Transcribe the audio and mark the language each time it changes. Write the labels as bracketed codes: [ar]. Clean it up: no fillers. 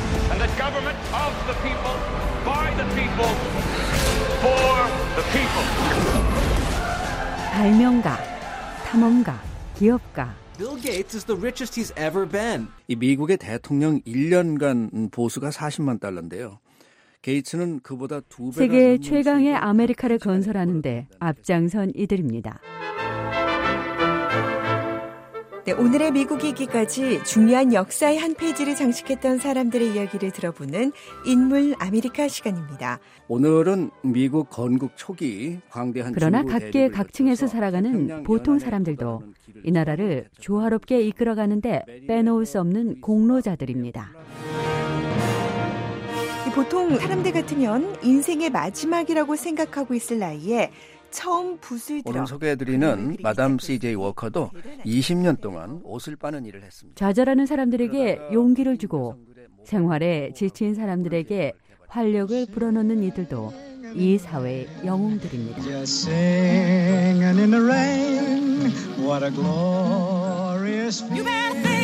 [en] and the government of the people, by the people, for the people. [ko] 발명가, 탐험가, 기업가. [en] Bill Gates is the richest he's ever been. [ko] 이 미국의 대통령 1년간 보수가 40만 달러인데요. 게이츠는 그보다 두 배가 세계 최강의 아메리카를 건설하는데 앞장선 이들입니다. 네, 오늘의 미국이기까지 중요한 역사의 한 페이지를 장식했던 사람들의 이야기를 들어보는 인물 아메리카 시간입니다. 오늘은 미국 건국 초기 광대한 그러나 각계 각층에서 살아가는 보통 사람들도 이 나라를 조화롭게 이끌어가는데 빼놓을 수 없는 공로자들입니다. 보통 사람들 같으면 인생의 마지막이라고 생각하고 있을 나이에 처음 붓을 들어 오늘 소개해드리는 마담 CJ 워커도 20년 동안 옷을 빠는 일을 했습니다. 좌절하는 사람들에게 용기를 주고 생활에 지친 사람들에게 활력을 불어넣는 이들도 이 사회의 영웅들입니다. [en] Just singing in the rain, what a glorious feeling.